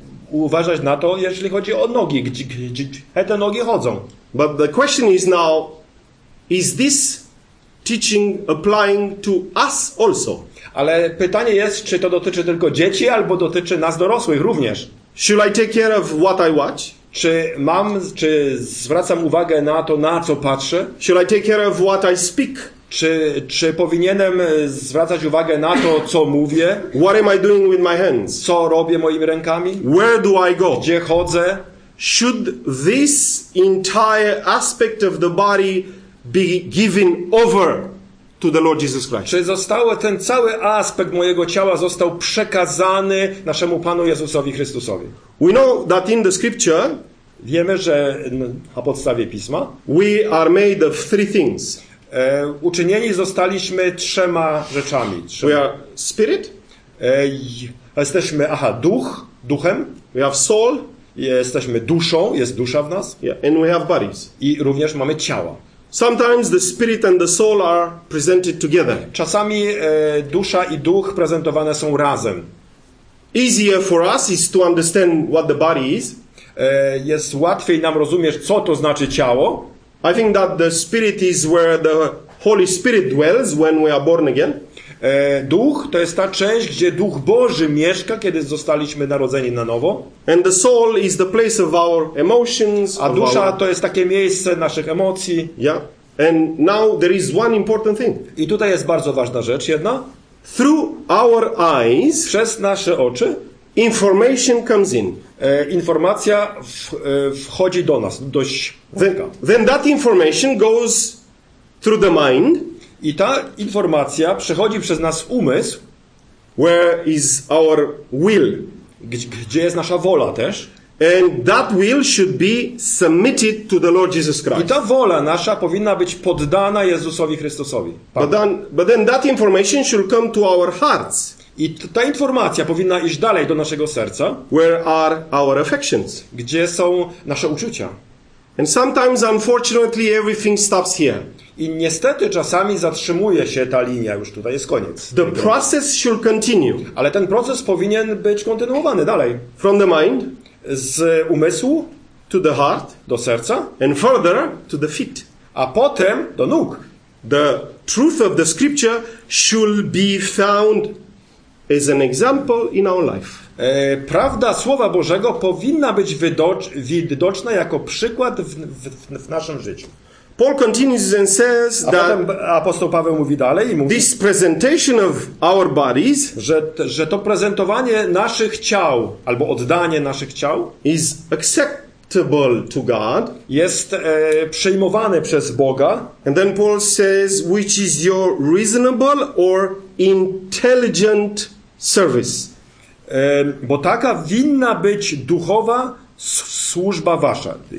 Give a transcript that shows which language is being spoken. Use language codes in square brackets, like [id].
[pl] Uważać na to, jeśli chodzi o nogi, gdzie te nogi chodzą. [en] But the question is now, is this teaching applying to us also? [pl] Ale pytanie jest, czy to dotyczy tylko dzieci, albo dotyczy nas dorosłych również. [en] Should I take care of what I watch? [pl] Czy zwracam uwagę na to, na co patrzę? [en] Should I take care of what I speak? [pl] Czy powinienem zwracać uwagę na to, co mówię? [en] What am I doing with my hands? [pl] Co robię moimi rękami? [en] Where do I go? [pl] Gdzie chodzę? [en] Should this entire aspect of the body be given over to the Lord Jesus Christ? [pl] Czy ten cały aspekt mojego ciała został przekazany naszemu Panu Jezusowi Chrystusowi? [en] We know that in the scripture, [pl] wiemy, że na podstawie Pisma, [en] we are made of three things. [pl] Uczynieni zostaliśmy trzema rzeczami. [en] We are spirit. [pl] Jesteśmy, duchem. [en] We have soul. [pl] Jesteśmy duszą, jest dusza w nas. [en] Yeah. And we have bodies. [pl] I również mamy ciała. [en] Sometimes the spirit and the soul are presented together. [pl] Czasami dusza i duch prezentowane są razem. [en] Easier for us is to understand what the body is. [pl] Jest łatwiej nam rozumieć, co to znaczy ciało. [en] I think that the spirit is where the Holy Spirit dwells when we are born again. [pl] Duch to jest ta część, gdzie Duch Boży mieszka, kiedy zostaliśmy narodzeni na nowo. [en] And the soul is the place of our emotions. [pl] A dusza to jest takie miejsce naszych emocji. Yeah. [en] And now there is one important thing. [pl] I tutaj jest bardzo ważna rzecz jedna. [en] Through our eyes, [pl] przez nasze oczy, [en] information comes in. [pl] Informacja wchodzi do nas, dość wielka. [en] Then that information goes through the mind. [pl] I ta informacja przechodzi przez nas umysł, [en] where is our will, [pl] gdzie jest nasza wola też. [en] And that will should be submitted to the Lord Jesus Christ. [pl] I ta wola nasza powinna być poddana Jezusowi Chrystusowi. [en] But then that information should come to our hearts. [pl] I ta informacja powinna iść dalej do naszego serca. [en] Where are our affections? [pl] Gdzie są nasze uczucia? [en] And sometimes, unfortunately, everything stops here. [pl] I niestety czasami zatrzymuje się ta linia, już tutaj jest koniec. [en] The process should continue. [pl] Ale ten proces powinien być kontynuowany dalej. [en] From the mind. [pl] Z umysłu. [en] To the heart. [pl] Do serca. [en] And further to the feet. [pl] A potem do nóg. [en] The truth of the scripture should be found as an example in our life. [pl] Prawda Słowa Bożego powinna być widoczna jako przykład w naszym życiu. [en] Paul continues and says that [pl] apostoł Paweł mówi dalej i mówi, [en] this presentation of our bodies, [pl] że to prezentowanie naszych ciał albo oddanie naszych ciał [en] is accept, acceptable to God, [pl] jest przyjmowane przez Boga. [en] And then Paul says, which is your reasonable or intelligent service? [pl] Bo taka winna być duchowa służba wasza.